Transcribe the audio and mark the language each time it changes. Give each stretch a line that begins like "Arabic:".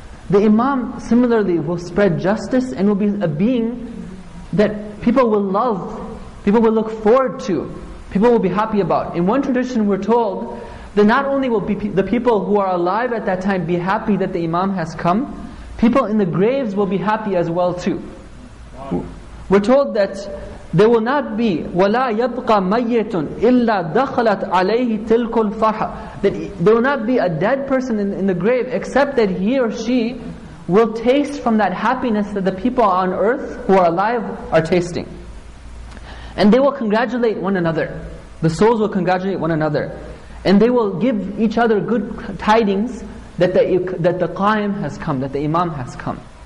English: The Imam similarly will spread justice and will be a being that people will love, people will look forward to, people will be happy about. In one tradition we're told that not only will the people who are alive at that time be happy that the Imam has come, people in the graves will be happy as well too. We're told that there will not be
Arabic: وَلَا يَبْقَى مَيِّتٌ إِلَّا دَخَلَتْ عَلَيْهِ تِلْكُ الْفَرْحَ.
English: That there will not be a dead person in the grave except that he or she will taste from that happiness that the people on earth who are alive are tasting. And they will congratulate one another. The souls will congratulate one another. And they will give each other good tidings that the Qaim has come, that the Imam has come.